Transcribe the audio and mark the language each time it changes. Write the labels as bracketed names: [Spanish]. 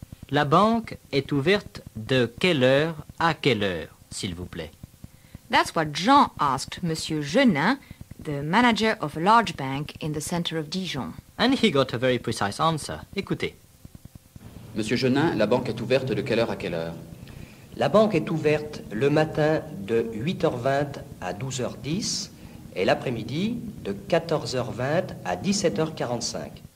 [French] La banque est ouverte de quelle heure à quelle heure, s'il vous plaît. [English] That's what Jean asked Monsieur Genin, the manager of a large bank in the center of Dijon. And he got a very precise answer. [French] Écoutez. Monsieur Genin, la banque est ouverte de quelle heure à quelle heure? La banque est ouverte le matin de 8h20 à 12h10 et l'après-midi de 14h20 à 17h45.